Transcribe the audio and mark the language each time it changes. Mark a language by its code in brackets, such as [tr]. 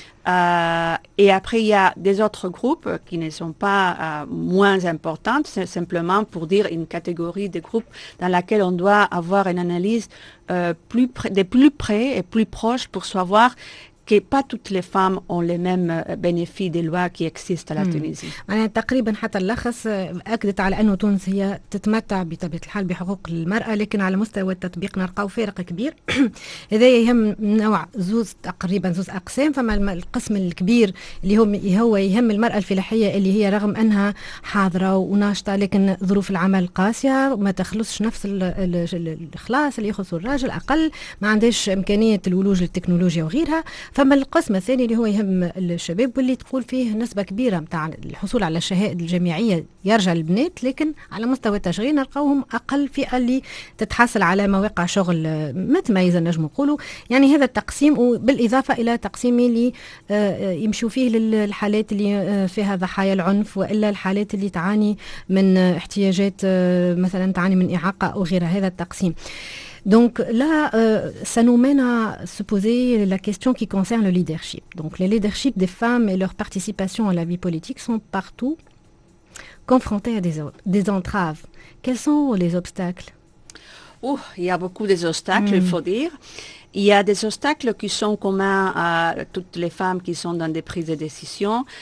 [fr] Et après, il y a des autres groupes qui ne sont pas moins importantes, c'est simplement pour dire une catégorie de groupes dans laquelle on doit avoir une analyse plus près et plus proche pour savoir que pas toutes les femmes ont les mêmes bénéfices des lois qui existent à la Tunisie. [ar] معناها تقريبا حتى اللخص اكدت على انه تونس هي تتمتع بطبيعه الحال بحقوق المراه لكن على مستوى التطبيق نلقاو فارق كبير. هذا يهم نوع زوز اقسام. فما القسم الكبير اللي هو يهم المراه الفلاحيه اللي هي رغم انها حاضره وناشطه لكن ظروف العمل قاسيه ما تخلصش نفس الخلاص اللي يخلصوا الراجل اقل ما عندهاش امكانيه الولوج للتكنولوجيا وغيرها. فما القسم الثاني اللي هو يهم الشباب واللي تقول فيه نسبة كبيرة متاع الحصول على الشهادة الجامعية يرجع البنات لكن على مستوى التشغيل نلقاهم أقل فئة اللي تتحصل على مواقع شغل متميزة نجم نقوله. يعني هذا التقسيم وبالإضافة إلى تقسيمي اللي يمشوا فيه للحالات اللي فيها ضحايا العنف وإلا الحالات اللي تعاني من احتياجات مثلا تعاني من إعاقة أو غيرها. هذا التقسيم. [fr] Donc là, ça nous mène à se poser la question qui concerne le leadership. Donc le leadership des femmes et leur participation à la vie politique sont partout confrontés à des entraves. Quels sont les obstacles ? Ouh, il y a beaucoup d'obstacles, il faut dire. Il y a des obstacles qui sont communs à toutes les femmes qui sont dans des prises de décision.